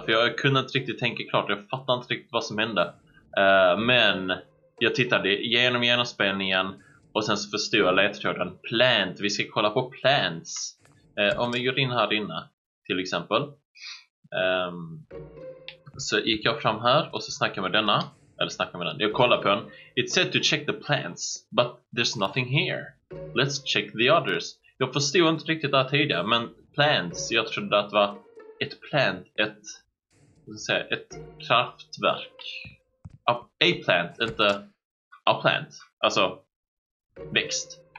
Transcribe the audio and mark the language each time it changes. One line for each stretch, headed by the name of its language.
Swedish: För jag kunde inte riktigt tänka klart, jag fattade inte riktigt vad som hände. Men jag tittade igenom genomspelningen och sen så förstod jag ledtråden. Plant, vi ska kolla på plants. Om vi går in här inne till exempel. Så gick jag fram här och så snackade med denna. Eller snackar med den. Jag kollar på den.
English: It's said to check the plants, but there's nothing here. Let's check the others.
Swedish: Jag förstod inte riktigt det här tidigare, men plants, jag trodde att det var ett plant, ett kraftverk.
English: A plant,
Swedish: inte a plant. Alltså, växt.